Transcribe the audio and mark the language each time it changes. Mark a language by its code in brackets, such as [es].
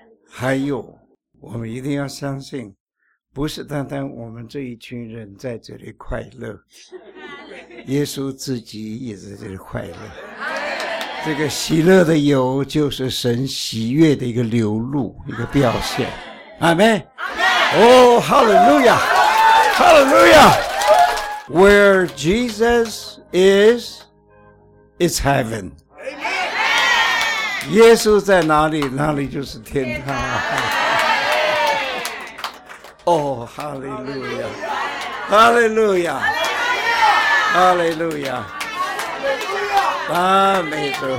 [zh] 还有我们一定要相信，不是单单我们这一群人在这里快乐，耶稣自己也在这里快乐。这个喜乐的油就是神喜悦的一个流露，一个表现。阿们。哦，哈利路亚，哈利路亚。 [en] Where Jesus is, it's heaven. [zh] 耶稣在哪里，哪里就是天堂。哦，哈利路亚，哈利路亚，哈利路亚。阿门。